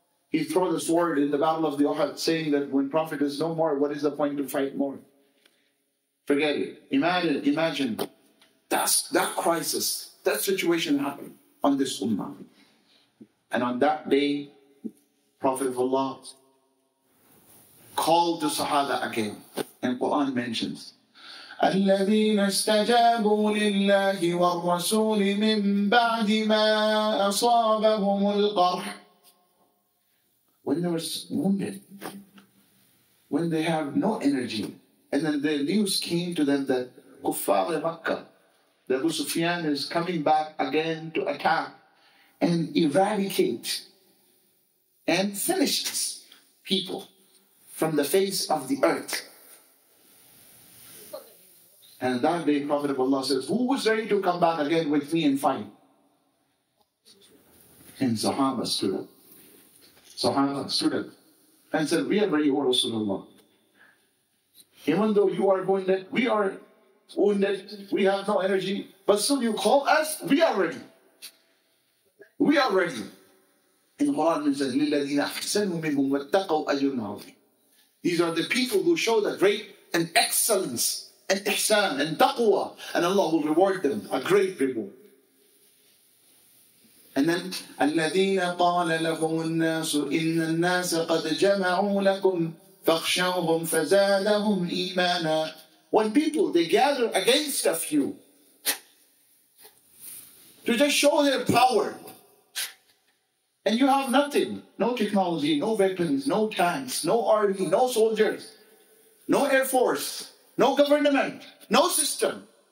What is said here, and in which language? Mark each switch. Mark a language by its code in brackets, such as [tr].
[en] He threw the sword in the Battle of the Uhud, saying that when Prophet is no more, what is the point to fight more? Forget it. Imagine. That's that crisis, that situation happened on this Ummah. And on that day, Prophet of Allah called the Sahaba again. [ar] And Quran mentions, الَّذِينَ اسْتَجَابُوا لِلَّهِ وَالرَّسُولِ مِنْ بَعْدِ مَا أَصَابَهُمُ الْقَرْحِ. [en] When they were wounded, when they have no energy, and then the news came to them that Kuffar al-Makkah, that Abu Sufyan is coming back again to attack and eradicate and finish this people from the face of the earth. And that day, Prophet of Allah says, who was ready to come back again with me and fight? And Sahaba stood up and said, we are ready, O Rasulullah. Even though you are wounded, we are wounded, we have no energy, but still you call us, we are ready. We are ready. [ar] In Quran, it says, لِلَّذِينَ أَحْسَنُوا مِنْهُمْ وَاتَّقَوْا أَجْرٌ عَظِيمٌ. [en] These are the people who show the great and excellence and ihsan and taqwa, and Allah will reward them, a great reward. And then, [ar] الَّذِينَ قَالَ لَهُمُ النَّاسُ إِنَّ النَّاسَ قَدْ جَمَعُوا لَكُمْ فَاخْشَوْهُمْ فَزَادَهُمْ إِيمَانًا. [en] When people, they gather against a few to just show their power, and you have nothing, no technology, no weapons, no tanks, no army, no soldiers, no air force, no government, no system.